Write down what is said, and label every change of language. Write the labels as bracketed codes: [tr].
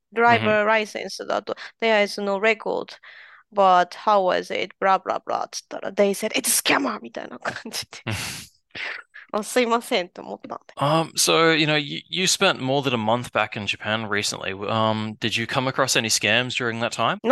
[en] Driver license [ja] だと [en] there is no record, but how was it? Blah blah blah. [ja] つったら [en] they said it's scammer [ja] みたいな感じで。あ、すいませんと思ったんで。 [en] So you know, you spent more than a month back in Japan recently. Did you come across any scams during that time?